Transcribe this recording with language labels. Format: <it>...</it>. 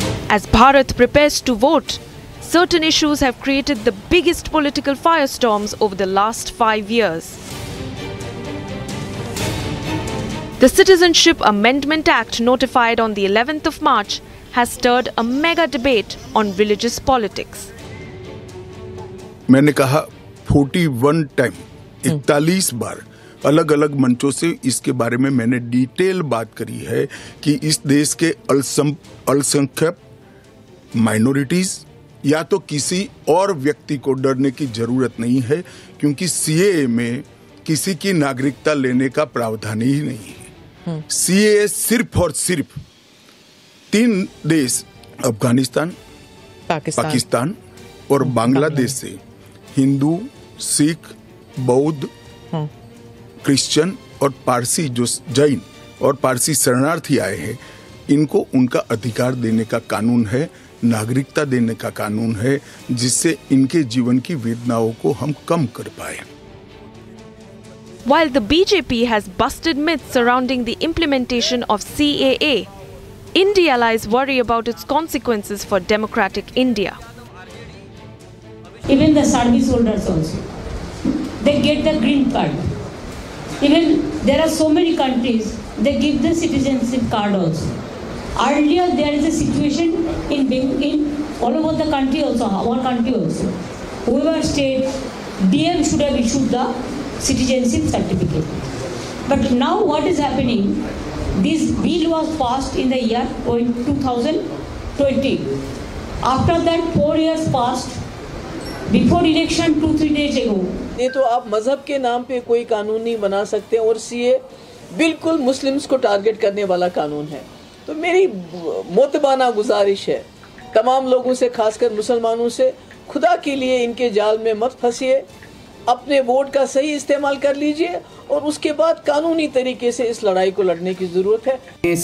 <en>As Bharat prepares to vote, certain issues have created the biggest political firestorms over the last 5 years. The Citizenship Amendment Act, notified on the 11th of March, has stirred a mega debate on religious politics.</en> <hi>मैंने कहा 41 time 41 बार अलग-अलग मंचों से इसके बारे में मैंने detail बात करी है कि इस देश के अल्पसंख्यक माइनॉरिटीज या तो किसी और व्यक्ति को डरने की जरूरत नहीं है क्योंकि सीएए में किसी की नागरिकता लेने का प्रावधान ही नहीं है सीएए सिर्फ और सिर्फ तीन देश अफगानिस्तान पाकिस्तान और बांग्लादेश से हिंदू सिख बौद्ध क्रिश्चियन और पारसी जो जैन और पारसी शरणार्थी आए हैं इनको उनका अधिकार देने का कानून है नागरिकता देने का कानून है जिससे इनके जीवन की वेदनाओं को हम कम कर पाए</hi> <en>While the BJP has busted myths surrounding the implementation of CAA, Indy allies worry about its consequences for democratic India. Even the Sardi soldiers also, they get the green card. Even there are so many countries, they give the citizenship card also. Earlier there is a situation in all over the country also, our country also. Whoever stayed, DM should have issued the citizenship certificate. But now what is happening, this bill was passed in the year 2020. After that 4 years passed, Before election, 2-3 days ago.</en> <hi>नहीं तो आप मजहब के नाम पे कोई कानून नहीं बना सकते और सीए बिल्कुल मुस्लिम्स को टारगेट करने वाला कानून है तो मेरी मोतबाना गुजारिश है तमाम लोगों से खासकर मुसलमानों से खुदा के लिए इनके जाल में मत फंसिए अपने वोट का सही इस्तेमाल कर लीजिए और उसके बाद कानूनी तरीके से इस लड़ाई को लड़ने की जरूरत है</hi>